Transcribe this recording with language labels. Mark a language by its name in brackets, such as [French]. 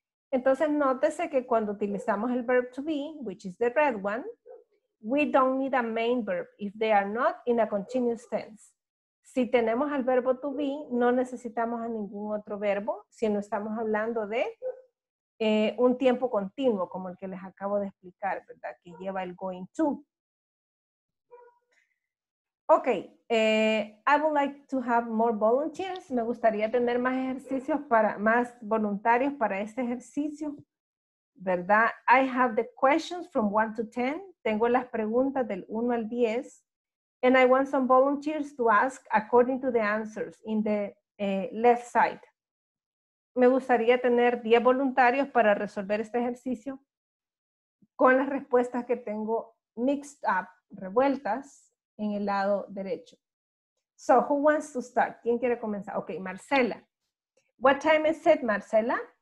[Spanish] Entonces, nótese que cuando utilizamos el [English] verb to be, which is the red one, we don't need a main verb if they are not in a continuous tense. [Spanish] Si tenemos al verbo to be, no necesitamos a ningún otro verbo si no estamos hablando de un tiempo continuo, como el que les acabo de explicar, ¿verdad? Que lleva el going to. [English] Ok, I would like to have more volunteers. [Spanish] Me gustaría tener más ejercicios para, más voluntarios para este ejercicio, ¿verdad? [English] I have the questions from 1 to 10. [Spanish] Tengo las preguntas del 1 al 10. [English] And I want some volunteers to ask according to the answers in the left side. [Spanish] Me gustaría tener 10 voluntarios para resolver este ejercicio con las respuestas que tengo [English] mixed up, [Spanish] revueltas, en el lado derecho. [English] So, who wants to start? [Spanish] ¿Quién quiere comenzar? [English] Ok, Marcela. What time is it, Marcela?